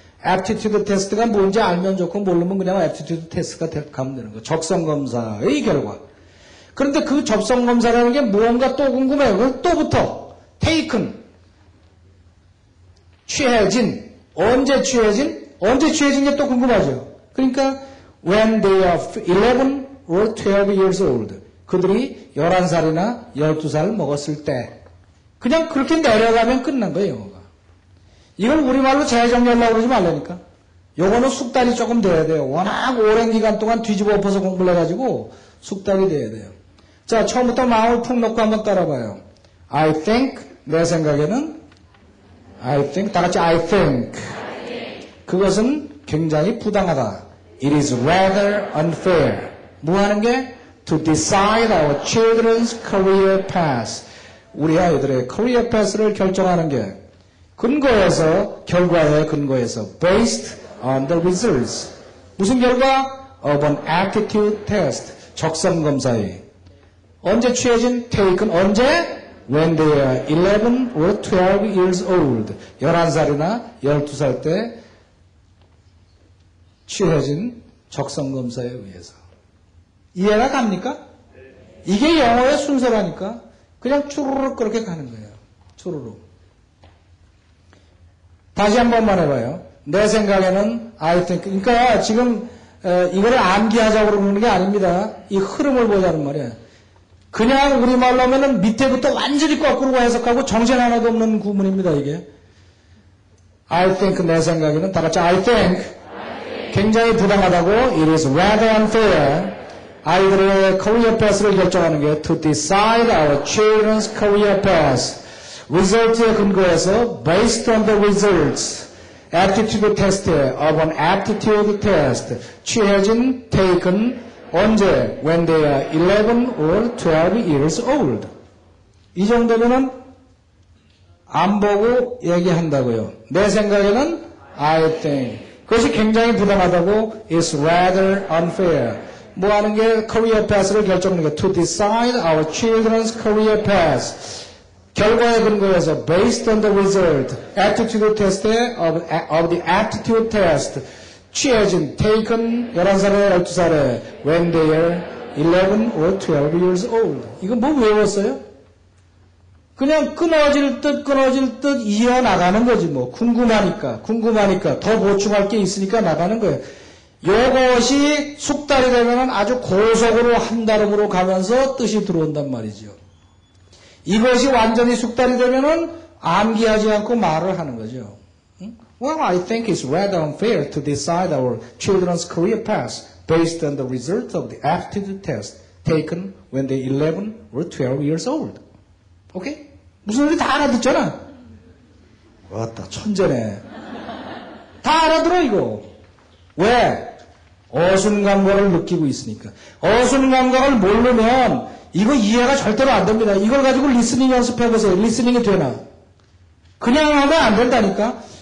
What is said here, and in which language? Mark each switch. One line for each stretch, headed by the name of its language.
Korean: Aptitude test가 뭔지 알면 좋고 모르면 그냥 aptitude test가 가면 되는 거. 적성검사의 결과. 그런데 그 적성검사라는 게 무언가 또 궁금해요. 그걸 또부터 taken. 취해진. 언제 취해진? 언제 취해진 게 또 궁금하죠? 그러니까
English: when they are 11 or 12 years old.
Korean: 그들이 11살이나 12살 먹었을 때 그냥 그렇게 내려가면 끝난 거예요, 영어가. 이걸 우리말로 재정렬라고 그러지 말라니까. 요거는 숙달이 조금 돼야 돼요. 워낙 오랜 기간 동안 뒤집어 엎어서 공부를 해가지고 숙달이 돼야 돼요. 자, 처음부터 마음을 푹 놓고 한번 따라봐요.
English: I think,
Korean: 내 생각에는
English: I think,
Korean: 다같이
English: I think.
Korean: 그것은 굉장히 부당하다.
English: It is rather unfair.
Korean: 뭐 하는 게?
English: To decide our children's career path.
Korean: 우리 아이들의 career path를 결정하는 게 근거에서, 결과에 근거에서
English: based on the results.
Korean: 무슨 결과?
English: Of an aptitude test.
Korean: 적성검사에. 언제 취해진? Taken. 언제?
English: When they are 11 or 12 years old.
Korean: 11살이나 12살 때 취해진 적성검사에 의해서. 이해가 갑니까? 이게 영어의 순서라니까. 그냥 추르륵 그렇게 가는 거예요. 추르륵. 다시 한 번만 해봐요. 내 생각에는
English: I think.
Korean: 그러니까 지금 이거를 암기하자고 그러는 게 아닙니다. 이 흐름을 보자는 말이에요. 그냥 우리말로 하면은 밑에부터 완전히 거꾸로 해석하고 정신 하나도 없는 구문입니다, 이게.
English: I think,
Korean: 내 생각에는. 다 같이
English: I think.
Korean: 굉장히 부당하다고.
English: It is rather unfair.
Korean: 아이들의 career path를 결정하는 게
English: to decide our children's career path. Result에
Korean: 근거해서
English: based on the results. Aptitude test of an aptitude test.
Korean: 취해진
English: taken
Korean: 언제?
English: When they are 11 or 12 years old.
Korean: 이 정도면은 안 보고 얘기한다고요. 내 생각에는
English: I think.
Korean: 그것이 굉장히 부담하다고
English: is rather unfair.
Korean: 뭐 하는 게 career path를 결정하는 게
English: to decide our children's career path.
Korean: 결과에 근거해서
English: based on the result. Aptitude test of the aptitude test.
Korean: 취해진
English: taken
Korean: 11살에 12살에
English: when they are 11 or 12 years old.
Korean: 이거 뭐 외웠어요? 그냥 끊어질 듯 이어나가는 거지 뭐. 궁금하니까 더 보충할 게 있으니까 나가는 거예요. 이것이 숙달이 되면 아주 고속으로 한 달음으로 가면서 뜻이 들어온단 말이죠. 이것이 완전히 숙달이 되면 암기하지 않고 말을 하는 거죠.
English: Well, I think it's rather unfair to decide our children's career paths based on the result of the aptitude test taken when they're 11 or 12 years old. Okay?
Korean: 무슨 소리 다 알아듣잖아. 왔다, 천재네. 다 알아들어, 이거. 왜? 어순감각을 느끼고 있으니까. 어순감각을 모르면 이거 이해가 절대로 안 됩니다. 이걸 가지고 리스닝 연습해보세요. 리스닝이 되나? 그냥 하면 안 된다니까.